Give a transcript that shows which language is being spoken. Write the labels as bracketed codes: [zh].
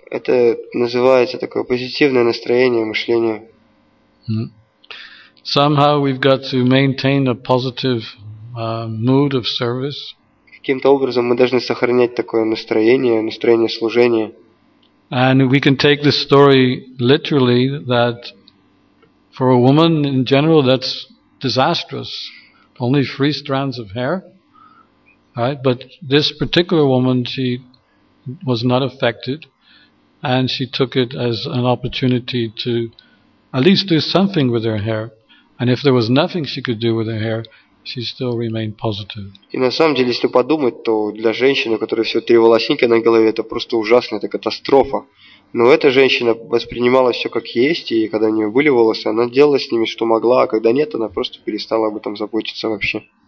[ru] Это называется такое позитивное настроение, мышление. [en] Somehow we've got to maintain a positive mood of service. [ru] Каким-то образом мы должны сохранять такое настроение, настроение служения. [en] And we can take this story literally that for a woman in general that's disastrous. Only 3 strands of hair, right? But this particular woman, she was not affected, and she took it as an opportunity to at least do something with her hair. And if there was nothing she could do with her hair, she still remained positive. [ru] И на самом деле, если подумать, то для женщины, у которой всего 3 волосинки на голове, это просто ужасно, это катастрофа. Но эта женщина воспринимала все как есть, и когда у нее были волосы, она делала с ними что могла, а когда нет, она просто перестала об этом заботиться вообще.